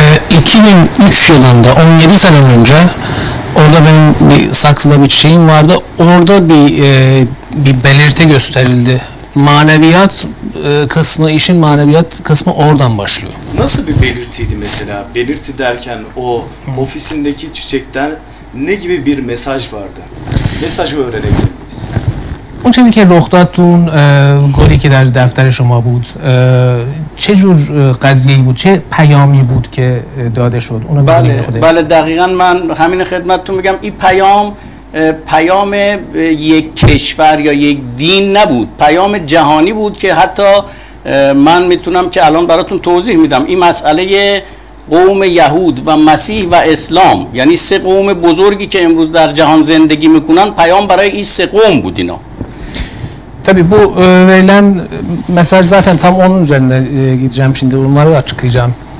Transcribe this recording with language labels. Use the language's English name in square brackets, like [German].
[Turkish] 2003 yılında, 17 sene önce orada benim bir saksıda bir çiçeğim vardı. Orada bir belirti gösterildi. Maneviyat kısmı, işin maneviyat kısmı oradan başlıyor. Nasıl bir belirtiydi mesela? Belirti derken o ofisindeki çiçekten ne gibi bir mesaj vardı? Mesajı öğrenebilir miyiz? [Persian] اون چیزی که رخ داد تو اون گلی که در دفتر شما بود چه جور قضیه‌ای بود چه پیامی بود که داده شد اونو بله بله دقیقاً من همین خدمتتون میگم این پیام پیام یک کشور یا یک دین نبود پیام جهانی بود که حتی من میتونم که الان براتون توضیح میدم این مسئله قوم یهود و مسیح و اسلام یعنی سه قوم بزرگی که امروز در جهان زندگی میکنن پیام برای این سه قوم بود اینا [Turkish] Tabii bu verilen mesaj zaten tam onun üzerine gideceğim şimdi, bunları açıklayacağım.